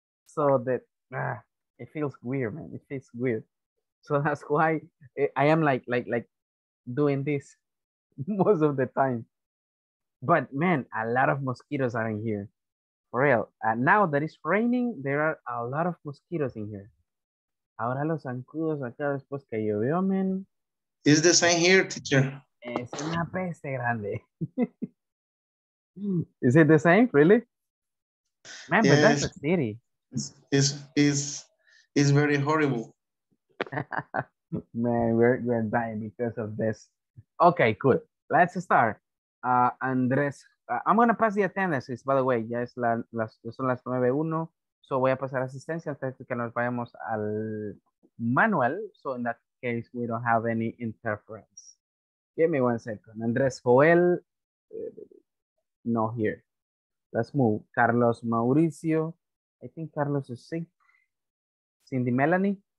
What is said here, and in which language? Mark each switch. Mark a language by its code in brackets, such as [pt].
[en] So that it feels weird, man. It feels weird. So that's why I am like doing this most of the time. But man, a lot of mosquitoes are in here. For real. Now that it's raining, there are a lot of mosquitoes in here. [es] Ahora los zancudos acá después que llovió, man. [en] It's the same here, teacher. [es] Es una peste grande. [en] Is it the same, really? Man, yeah, but that's a city. It's very horrible. Man, we're dying because of this. Okay, cool. Let's start. Andres, I'm going to pass the attendances, by the way. [es] Ya es son las 9:01. So voy a pasar asistencia antes de que nos vayamos al manual. [en] So in that case, we don't have any interference. Give me one second. Andres Joel, no here. Let's move. Carlos Mauricio. I think Carlos is sick. Cindy Melanie.